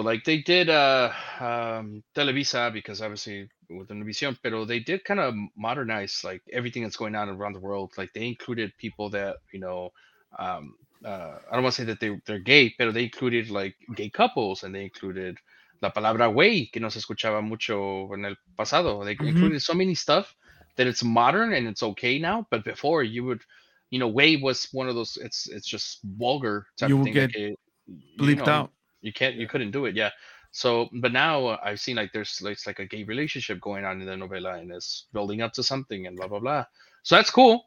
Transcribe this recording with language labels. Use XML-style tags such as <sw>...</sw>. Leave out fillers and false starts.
<en>Like, they did Televisa, because obviously with Univision, pero they did kind of modernize, like, everything that's going on around the world. Like, they included people that, you know... I don't want to say that they're gay, pero they included, like, gay couples, and they included...</en> <es>La palabra güey, que no se escuchaba mucho en el pasado.</es> <en>They included so many stuff that it's modern and it's okay now. But before, you would, you know, güey was one of those, it's just vulgar. Type you would get like bleeped out. You couldn't do it, yeah. So, but now I've seen like there's like, it's like a gay relationship going on in the novela and it's building up to something and blah, blah, blah. So that's cool.</en>